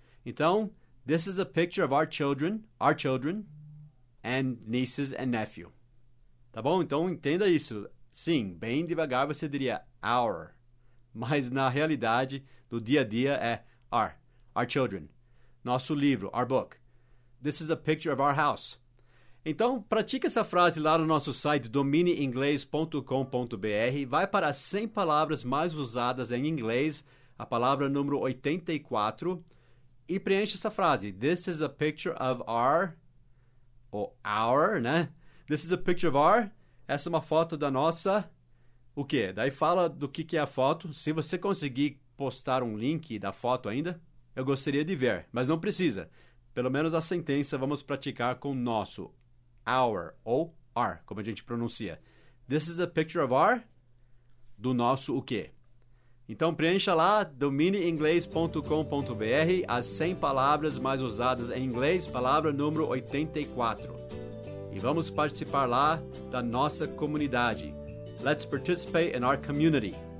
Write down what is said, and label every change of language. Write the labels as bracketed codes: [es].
[pt] Então, [en] this is a picture of our children, and nieces and nephew. [pt] Tá bom? Então, entenda isso. Sim, bem devagar você diria our. Mas, na realidade, no dia a dia, é our children. Nosso livro, our book. [en] This is a picture of our house. [pt] Então, pratique essa frase lá no nosso site, dominiinglês.com.br. Vai para as 100 palavras mais usadas em inglês, a palavra número 84, e preencha essa frase. [en] This is a picture of our, ou our, né? This is a picture of our. [pt] Essa é uma foto da nossa... O quê? Daí fala do que é a foto. Se você conseguir postar um link da foto ainda, eu gostaria de ver. Mas não precisa. Pelo menos a sentença vamos praticar com o nosso. Our, ou our, como a gente pronuncia. [en] This is a picture of our, [pt] do nosso o quê? Então preencha lá, dominiinglês.com.br, as 100 palavras mais usadas em inglês, palavra número 84. E vamos participar lá da nossa comunidade. [en] Let's participate in our community.